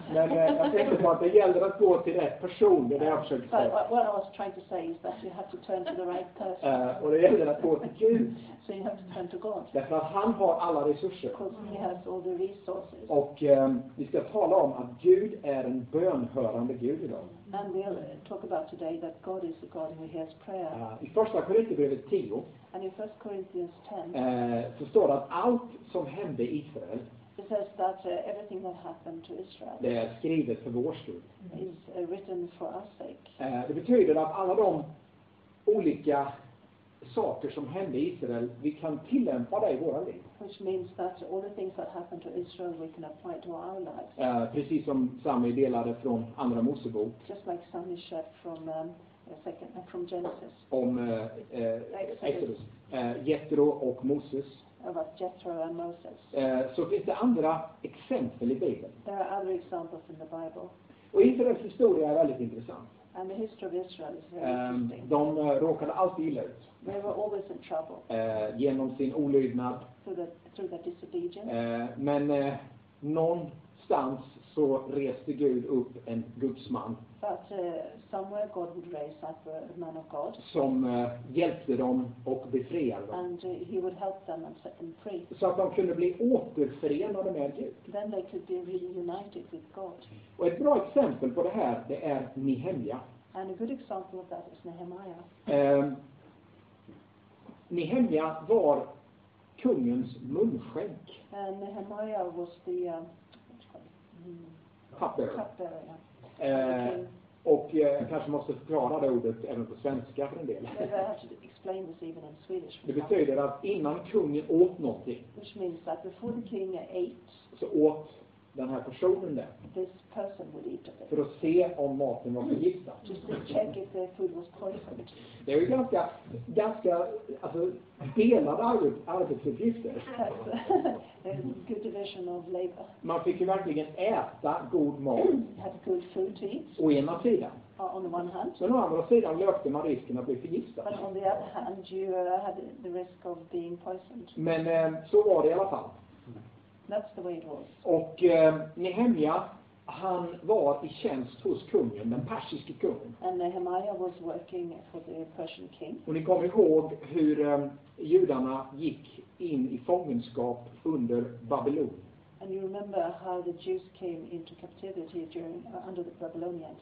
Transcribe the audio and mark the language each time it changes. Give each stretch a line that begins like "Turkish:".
Swedish: Men jag tänkte på att det gäller att gå till rätt person. Det är det jag försökte säga.
English: But what I was trying to say is that you have to turn to the right person.
Swedish: Och det gäller att gå till Gud.
English: So you have to turn to God.
Swedish: Därför att han har alla resurser.
English: Because he has all the resources.
Swedish: Och vi ska tala om att Gud är en bönhörande Gud idag.
English: And we'll talk about today that God is the God who hears prayer.
Swedish: I första Korinthierbrevet 10.
English: And in 1 Corinthians 10.
Swedish: Så står det att allt som hände Israel.
English: It says that everything that happened to Israel.
Swedish: Det är skrivet för vår skull.
English: Is written for our sake.
Swedish: Det betyder att alla de olika saker som hände i Israel, vi kan tillämpa det i våra liv.
English: Which means that all the things that happened to Israel, we can apply to our lives.
Swedish: Precis som Sami delade från andra Mosebok.
English: Just like Sami shared from from Genesis.
Swedish: Om Exodus. Jethro och Moses.
English: About Jethro and Moses.
Swedish: Så finns det andra exempel i Bibeln.
English: There are other examples in the Bible.
Swedish: Och Israels historia är väldigt intressant.
English: And the history of Israel is very interesting.
Swedish: De råkade alltid illa ut.
English: They were always in trouble.
Swedish: Genom sin olydnad.
English: Through their disobedience.
Swedish: Men någonstans så reste Gud upp en gudsman.
English: But somewhere God would raise up a man of God.
Swedish: Som hjälpte dem och befriade dem.
English: And he would help them and set them free.
Swedish: Så att de kunde bli återförenade med Gud.
English: Then they could be reunited with God.
Swedish: Och ett bra exempel på det här, det är Nehemja.
English: And a good example of that is Nehemiah.
Swedish: Nehemja var kungens munskänk.
English: Nehemiah was the cupbearer.
Swedish: Kanske måste förklara det ordet även på svenska för en del.
English: Maybe I have to explain this even in Swedish.
Swedish: Det betyder att innan kungen åt någonting.
English: Which means that before the king ate.
Swedish: Så åt den här personen det.
English: This person would eat of it.
Swedish: För att se om maten var förgiftad.
English: Just to check if their food was poisoned.
Swedish: Det är ganska alltså delade arbetsuppgifter.
English: That's a good division of labor.
Swedish: Man fick ju verkligen äta god mat.
English: Had good food to eat.
Swedish: Å ena sidan.
English: On the one hand.
Swedish: Men å andra sidan löpte man risken att bli förgiftad.
English: But on the other hand you had the risk of being poisoned.
Swedish: Men så var det i alla fall.
English: That's the way it was.
Swedish: Och Nehemja, han var i tjänst hos kungen, den persiske kungen.
English: And Nehemiah was working for the Persian king.
Swedish: Och ni kommer ihåg hur judarna gick in i fångenskap under Babylon.
English: And you remember how the Jews came into captivity during under the Babylonians.